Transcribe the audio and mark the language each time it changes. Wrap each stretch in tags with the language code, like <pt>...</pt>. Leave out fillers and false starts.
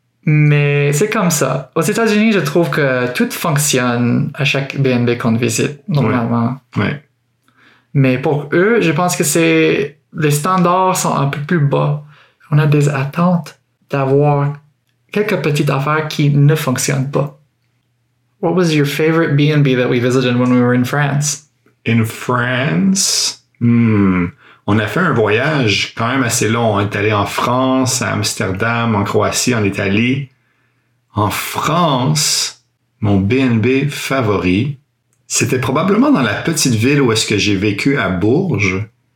<fr>Mais c'est comme ça. Aux États-Unis, je trouve que tout fonctionne à chaque B&B qu'on visite, normalement. Ouais. Mais pour eux, je pense que c'est les standards sont un peu plus bas. On a des attentes d'avoir quelques petites affaires qui ne fonctionnent pas.</fr> <en>What was your favorite B&B that we visited when we were in France? In France?</en> <fr>On a fait un voyage quand même assez long. On est allé en France, à Amsterdam, en Croatie, en Italie. En France, mon B&B favori, c'était probablement dans la petite ville où est-ce que j'ai vécu à Bourges.</fr>